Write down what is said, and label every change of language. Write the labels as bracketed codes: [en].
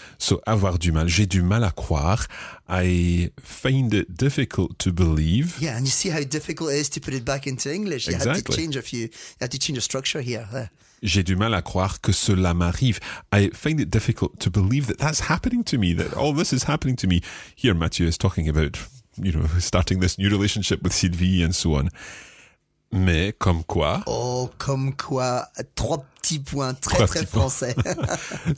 [fr] So avoir du mal, j'ai du mal à croire. [en] I find it difficult to believe. Yeah, and you see how difficult it is to put it back into English. Exactly. You have to change the structure here. [fr] J'ai du mal à croire que cela m'arrive. [en] I find it difficult to believe that that's happening to me, that all this is happening to me. Here Mathieu is talking about, you know, starting this new relationship with Sylvie and so on. [fr] Mais comme quoi? Oh, comme quoi? Trois petits points, très, trois très petits français.